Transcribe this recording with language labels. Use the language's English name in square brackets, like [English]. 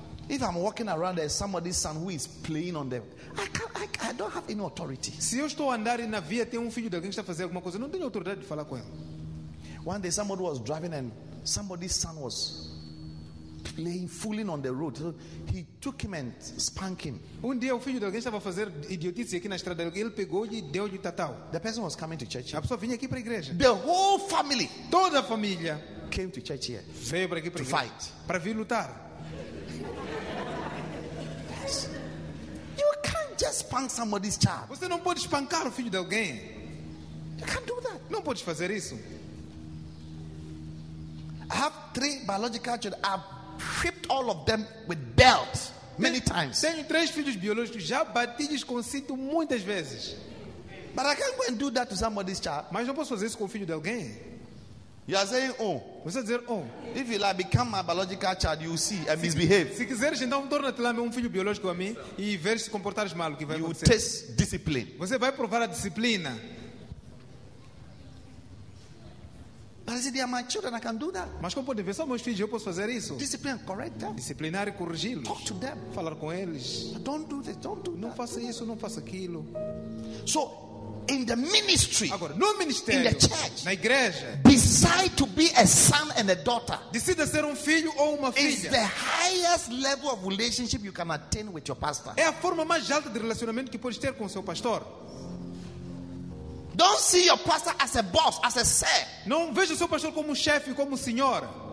[English] If I'm walking around, there's somebody's son who is playing on them. I don't have any authority. [Portuguese] Se eu estou a andar na via tem filho de alguém que está a fazer alguma coisa, não tenho autoridade de falar com ele. [English] One day somebody was driving and somebody's son was playing, fooling on the road. So he took him and spanked him. [Portuguese] Um dia o filho de alguém estava a fazer idiotice aqui na estrada. Ele pegou e deu-lhe tatau. [English] The person was coming to church. [Portuguese] A pessoa vinha aqui para a igreja. [English] The whole family. [Portuguese] Toda a família. [English] Came to church here. [Portuguese] Veio para aqui para [English] to fight. [Portuguese] Para vir lutar. [English] Yes. You can't just spank somebody's child. [Portuguese] Você não pode espancar o filho de alguém. [English] You can't do that. [Portuguese] Não pode fazer isso. [English] I have 3 biological children. I've whipped all of them with belts many times. [Portuguese] Tenho 3 filhos biológicos. Já bati-lhes com cinto muitas vezes. [English] But I can't go and do that to somebody's child. [Portuguese] Mas não posso fazer isso com o filho de alguém. [English] You are saying, oh. [Portuguese] Você dizer, oh. [English] If you like, become my biological child, you will see and misbehave. [Portuguese] Se quiseres, então torna-te lá filho biológico a mim e veres se comportares mal. O que vai [English] you [Portuguese] acontecer. [English] Will test discipline. [Portuguese] Você vai provar a disciplina. [English] But I said, they are my children, I can do that. [Portuguese] Mas como podem ver, são meus filhos, eu posso fazer isso. [English] Discipline, correct them. [Portuguese] Disciplinar e corrigi-los. [English] Talk to them. [Portuguese] Falar com eles. [English] But don't do this, don't do [Portuguese] não Não faça isso, não faça aquilo. [English] So, in the ministry, [Portuguese] agora, no ministério, [English] in the church, [Portuguese] na igreja, [English] decide to be a son and a daughter. [Portuguese] Decida ser filho ou uma filha. [English] It's the highest level of relationship you can attain with your pastor. [Portuguese] É a forma mais alta de relacionamento que pode ter com seu pastor. [English] Don't see your pastor as a boss, as a sir. [Portuguese] Não veja o seu pastor como chefe, como senhor.